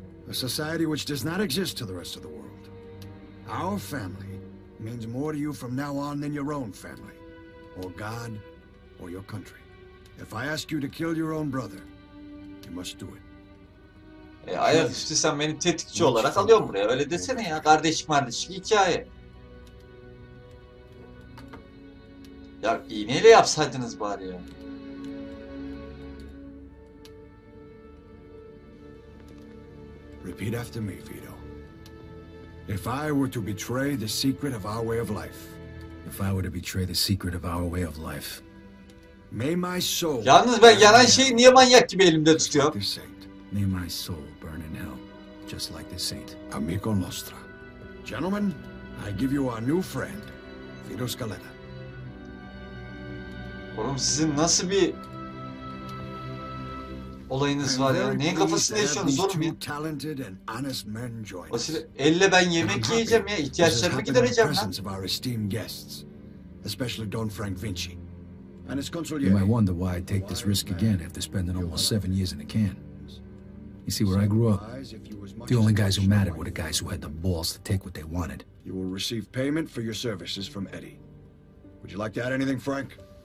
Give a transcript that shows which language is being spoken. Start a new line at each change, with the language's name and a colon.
English: A society which does not exist to the rest of the world. Our family means more to you from now on than your own family, or God, or your country. If I ask you to kill your own brother, you must do it.
Turkish: Ayak üstü sen beni tetikçi olarak alıyorsun buraya. Öyle desene ya. Kardeşim kardeşim hikaye. Ya iğneyle yapsaydınız bari ya.
English: Repeat after me, Vito. If I were to betray the secret of our way of life. If I were to betray the secret of our way of life. May my soul...
Turkish: Yalnız ben yanan şeyi niye manyak gibi elimde tutuyorum?
English: May my soul burn in hell, just like the saint.
Italian: Amico nostra.
English: Gentlemen, I give you our new friend, Vito Scaletta.
Turkish: Oğlum sizin nasıl bir olayınız var ya? Neyin kafasını yaşıyorsunuz oğlum ya?
English: Talented and honest men join.
Turkish: Elle ben yemek yiyeceğim ya, ihtiyaçlarımı gidereceğim lan.
English: Presence of our esteemed guests, especially Don Frank Vinci. And his consul. You might wonder why I take this risk again after spending almost 7 years in a can. You see, where I grew up, the only guys who mattered were the guys who had the balls to take what they wanted. You will receive payment for your services from Eddie. Would you like to add anything, Frank?